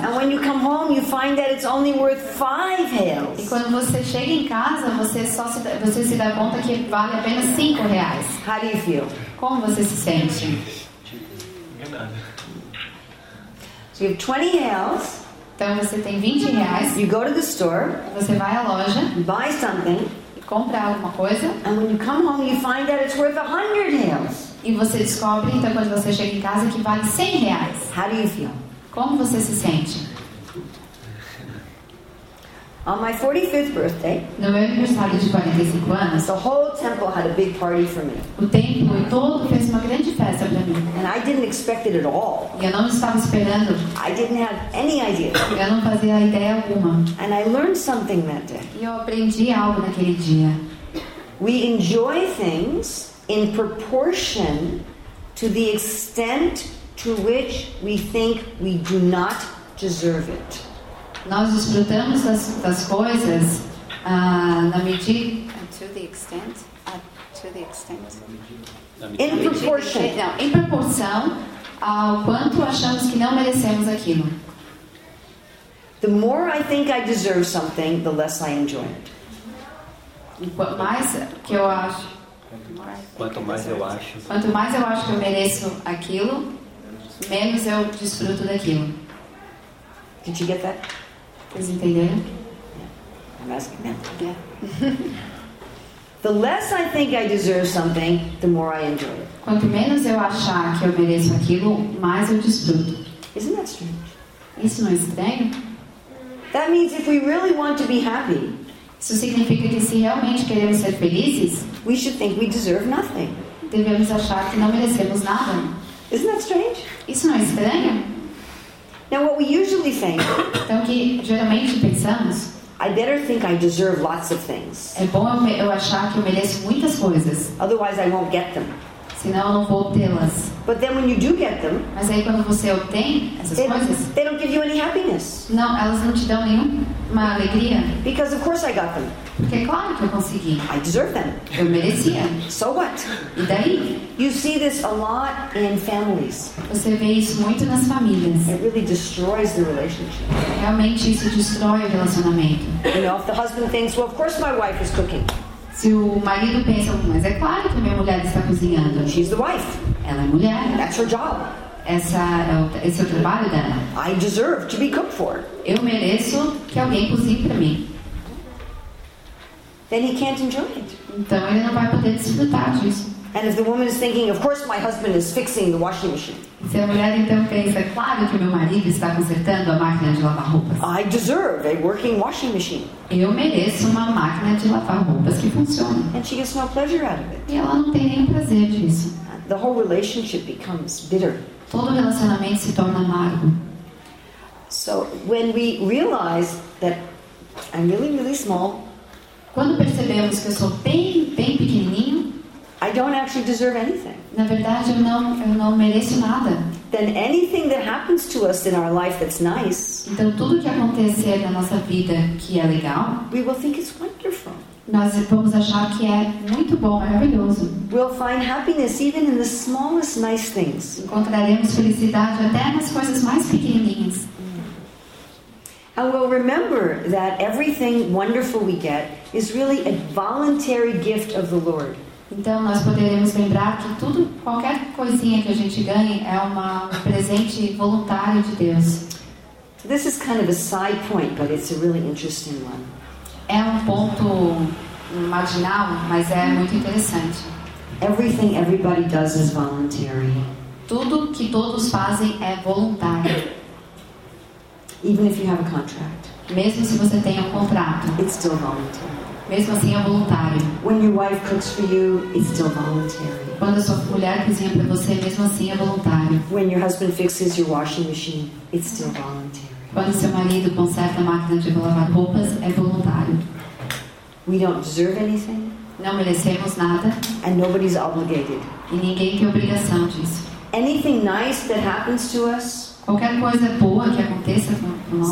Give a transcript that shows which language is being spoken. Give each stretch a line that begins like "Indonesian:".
English: And when you come home, you find that it's only worth 5 reais.
Portuguese: E quando você chega em casa, você se dá conta que vale apenas 5 reais.
English: How do you feel?
Portuguese: Como você se sente?
English: So you have 20 reais.
Portuguese: Então você tem 20 reais.
English: You go to the store.
Portuguese: Você vai à loja.
English: Buy something.
Portuguese: E compra alguma coisa.
English: And when you come home, you find that it's worth 100 reais.
Portuguese: E você descobre, então, quando você chega em casa, que vale 100 reais.
English: How do you feel?
Portuguese: Como você se sente?
English: On my 45th birthday,
Portuguese: no meu aniversário de 45 anos,
English: the whole temple had a big party for me.
Portuguese: O templo todo fez uma grande festa para mim.
English: And I didn't expect it at all.
Portuguese: E eu não estava esperando.
English: I didn't have any idea.
Portuguese: Eu não fazia ideia alguma.
English: And I learned something that day.
Portuguese: E eu aprendi algo naquele dia.
English: We enjoy things in proportion to the extent to which we think we do not deserve it.
Portuguese: Nós desfrutamos das coisas na medida.
English: And to the extent. To the extent. In proportion.
Portuguese: Em proporção ao quanto achamos que não merecemos aquilo.
English: The more I think I deserve something, the less I enjoy it.
Portuguese: Quanto mais que eu acho. Quanto mais eu acho que eu mereço aquilo, menos eu desfruto daquilo.
English: Did you get that?
Portuguese: Vocês entenderam?
English: Yeah. I'm asking them. Yeah. The less I think I deserve something, the more I enjoy it.
Portuguese: Quanto menos eu achar que eu mereço aquilo, mais eu desfruto.
English: Isn't that strange?
Portuguese: Isso não é estranho?
English: That means if we really want to be happy.
Portuguese: Isso significa que se realmente queremos ser felizes,
English: we should think we deserve nothing.
Portuguese: Devemos achar que não merecemos nada.
English: Isn't that strange?
Portuguese: Isso não é estranho?
English: Now what we usually think,
Portuguese: então, que geralmente pensamos,
English: I better think I deserve lots of things.
Portuguese: É bom eu achar que eu mereço muitas coisas.
English: Otherwise I won't get them.
Portuguese: Senão eu não vou obtê-las.
English: But then when you do get them,
Portuguese: mas aí quando você obtém essas coisas,
English: they don't give you any happiness.
Portuguese: Não, elas não te dão nenhuma alegria.
English: Because of course I got them.
Portuguese: Porque é claro que eu consegui.
English: I deserve them.
Portuguese: Eu merecia.
English: So what?
Portuguese: E daí?
English: You see this a lot in families.
Portuguese: Você vê isso muito nas famílias.
English: It really destroys the relationship.
Portuguese: Realmente isso destrói o relacionamento.
English: You know, if the husband thinks, well, of course my wife is cooking.
Portuguese: Se o marido pensa, mas é claro que minha mulher está cozinhando.
English: She's the wife.
Portuguese: Ela é mulher.
English: That's her job.
Portuguese: Esse é o trabalho dela.
English: I deserve to be cooked for.
Portuguese: Eu mereço que alguém cozinhe para mim.
English: Then he can't enjoy it.
Portuguese: Então ele não vai poder desfrutar disso.
English: And if the woman is thinking, of course my husband is fixing the washing machine.
Portuguese: Se a mulher então pensa, é claro que meu marido está consertando a máquina de lavar roupas.
English: I deserve a working washing machine.
Portuguese: Eu mereço uma máquina de lavar roupas que funcione.
English: And she gets no pleasure out of it.
Portuguese: E ela não tem nenhum prazer disso.
English: The whole relationship becomes bitter.
Portuguese: Todo relacionamento se torna amargo.
English: So when we realize that I'm really, really small.
Portuguese: Quando percebemos que eu sou bem, bem pequenininho.
English: I don't actually deserve anything.
Portuguese: Na verdade, eu não mereço nada.
English: Then anything that happens to us in our life that's nice.
Portuguese: Então tudo que acontecer na nossa vida que é legal.
English: We will think it's wonderful.
Portuguese: Nós vamos achar que é muito bom, maravilhoso.
English: We'll find happiness even in the smallest nice things.
Portuguese: Encontraremos felicidade até nas coisas mais pequenininhas.
English: And we'll remember that everything wonderful we get is really a voluntary gift of the Lord.
Portuguese: Então nós poderemos lembrar que tudo, qualquer coisinha que a gente ganhe é um presente voluntário de Deus.
English: This is kind of a side point, but it's a really interesting one.
Portuguese: É um ponto marginal, mas é muito interessante.
English: Everything everybody does is voluntary.
Portuguese: Tudo que todos fazem é voluntário.
English: Even if you have a contract.
Portuguese: Mesmo se você tem um contrato.
English: It's still voluntary.
Portuguese: Mesmo assim é voluntário.
English: When your wife cooks for you, it's still voluntary.
Portuguese: Quando a sua mulher cozinha para você, mesmo assim é voluntário.
English: When your husband fixes your washing machine, it's still voluntary.
Portuguese: Quando seu marido conserta a máquina de lavar roupas, é voluntário.
English: We don't deserve anything.
Portuguese: Não merecemos nada.
English: And nobody's obligated.
Portuguese: E ninguém tem obrigação disso.
English: Anything nice that happens to us.
Portuguese: Qualquer coisa boa que aconteça com nós.